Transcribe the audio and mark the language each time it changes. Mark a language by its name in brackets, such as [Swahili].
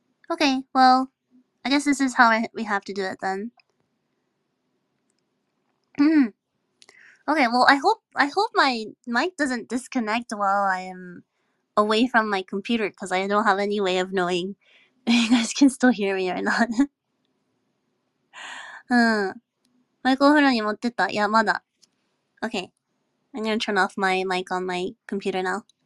[English] Okay, well, I guess this is how we have to do it then. Okay, well, I hope my mic doesn't disconnect while I am away from my computer, because I don't have any way of knowing if you guys can still hear me or not. [Japanese] マイクお風呂に持ってった? [English] Yeah, [Japanese] まだ. [English] Okay. I'm gonna turn off my mic on my computer now.